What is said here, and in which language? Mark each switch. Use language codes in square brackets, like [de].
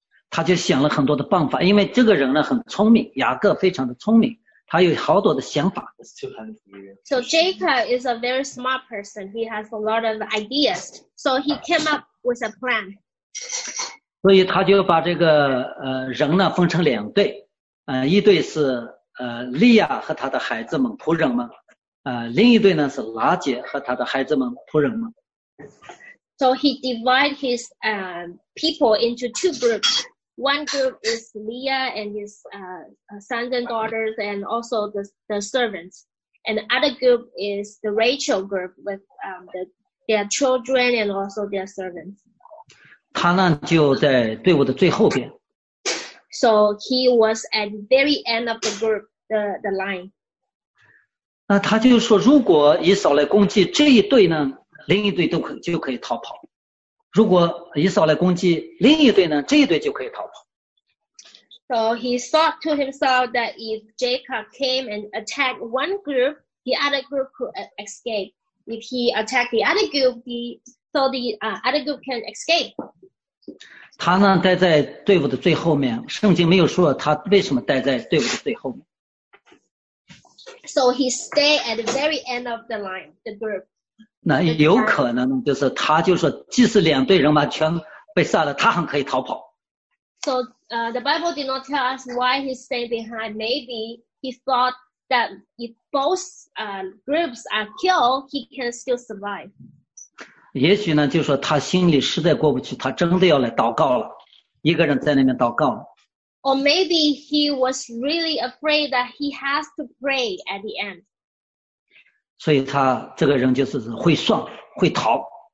[zh] 他就想了很多的办法，因为这个人呢很聪明，雅各非常的聪明，他有好多的想法。 [en] So Jacob is a very smart person. He has a lot of ideas. So he came up with a plan. [zh] 所以他就把这个人呢分成两队，一队是利亚和他的孩子们仆人们，另一队呢是拉结和他的孩子们仆人们。 [en] So he divides his people into two groups. One group is Leah and his sons and daughters, and also the servants. And the other group is the Rachel group with their children and also their servants. [zh] 他呢就在队伍的最后边。 [en] So he was at the very end of the group, the line. [zh] 那他就说，如果以扫来攻击这一队呢，另一队都可就可以逃跑。如果以扫来攻击另一队呢，这一队就可以逃跑。 [en] So he thought to himself that if Jacob came and attacked one group, the other group could escape. If he attacked the other group, other group can escape. [zh] 他呢待在队伍的最后面，圣经没有说他为什么待在队伍的最后面。 [en] So he stayed at the very end of the line, the group. [zh] 那有可能就是他就说，即使两队人马全被杀了，他很可以逃跑。 [en] So, the Bible did not tell us why he stayed behind. Maybe he thought that if both groups are killed, he can still survive. [zh] 也许呢，就说他心里实在过不去，他真的要来祷告了，一个人在那边祷告。 [en] Or maybe he was really afraid that he has to pray at the end. [zh] 所以他这个人就是会算会逃。